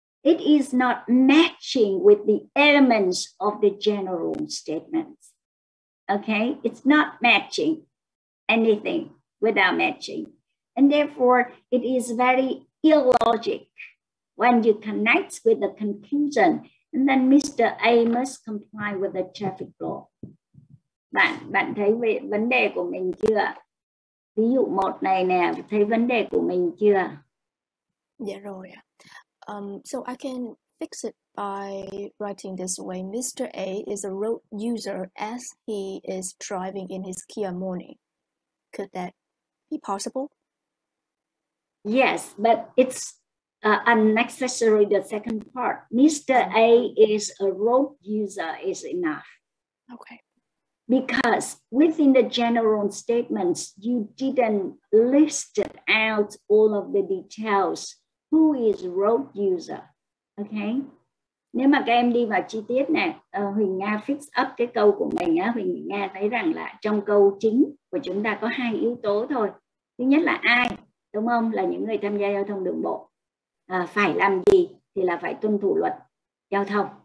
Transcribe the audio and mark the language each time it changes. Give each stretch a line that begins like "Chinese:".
English: It is not matching with the elements of the general statements. Okay, it's not matching anything without matching. And therefore, it is very illogic when you connect with the conclusion and then Mr. A must comply with the traffic law.
Vietnamese: Bạn thấy vấn đề của mình chưa? Ví dụ một này nè, thấy vấn đề của mình chưa? Dạ rồi ạ.
English: So I can fix it by writing this way. Mr. A is a road user as he is driving in his Kia morning. Could that be possible? Yes, but it's unnecessary, the second part. Mr. A is a road user is enough. Okay. Because within the general statements, you didn't list out all of the details. Who is road user? Okay.
Vietnamese: Nếu mà các em đi vào chi tiết nè, Huỳnh Nga fix up cái câu của mình á, Huỳnh Nga thấy rằng là trong câu chính của chúng ta có hai yếu tố thôi. Thứ nhất là ai, đúng không? Là những người tham gia giao thông đường bộ. Phải làm gì thì là phải tuân thủ luật giao thông.